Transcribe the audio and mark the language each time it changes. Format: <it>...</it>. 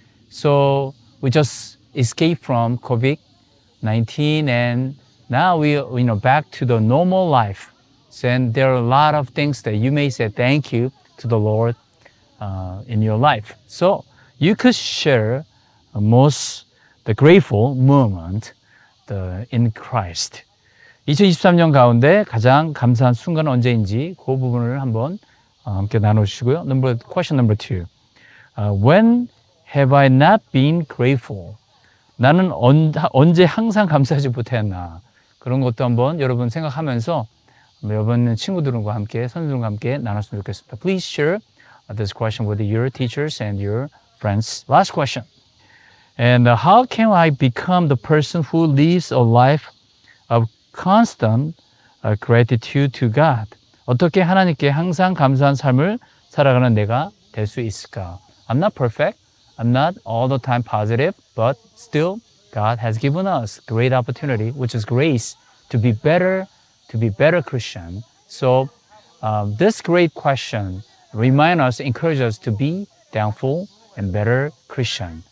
<en>So we just escaped from COVID-19 and now we are, you know, back to the normal life. And there are a lot of things that you may say thank you to the Lord in your life. So you could share the grateful moment in Christ.</en> <ko>2023년 가운데 가장 감사한 순간은 언제인지 그 부분을 한번 함께 나눠주시고요.</ko> <en>Question number two. When have I not been grateful?</en> <ko>나는 언제 항상 감사하지 못했나? 그런 것도 한번 여러분 생각하면서 여러분 친구들과 함께 선생님과 함께 나눴으면 좋겠습니다.</ko> <en>Please share this question with your teachers and your friends. Last question. And how can I become the person who lives a life of constant gratitude to God?</en> <ko>어떻게 하나님께 항상 감사한 삶을 살아가는 내가 될 수 있을까?</ko> <en>I'm not perfect. I'm not all the time positive. But still, God has given us great opportunity, which is grace, to be better Christian. So this great question reminds us, encourages us to be thankful and better Christian.</en>